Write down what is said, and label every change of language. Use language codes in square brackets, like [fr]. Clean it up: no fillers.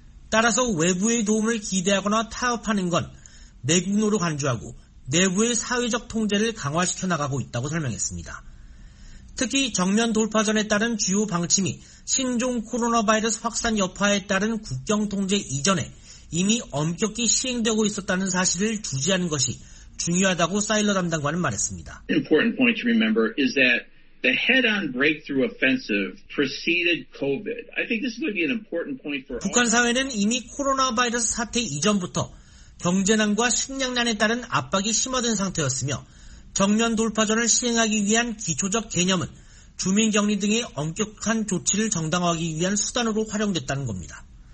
[ko] 따라서 외부의 도움을 기대하거나 타협하는 건 내국노로 간주하고 내부의 사회적 통제를 강화시켜 나가고 있다고 설명했습니다. 특히 정면 돌파전에 따른 주요 방침이 신종 코로나 바이러스 확산 여파에 따른 국경 통제 이전에 이미 엄격히 시행되고 있었다는 사실을 주지하는 것이 중요하다고 사일러 담당관은 말했습니다. [en] An important point to remember is that the head-on breakthrough offensive preceded COVID. I think this is going to be an important point for [ko] 북한 사회는 이미 코로나 바이러스 사태 이전부터 경제난과 식량난에 따른 압박이 심화된 상태였으며 정면 돌파전을 시행하기 위한 기초적 개념은 주민 격리 등의 엄격한 조치를 정당화하기 위한 수단으로 활용됐다는 겁니다.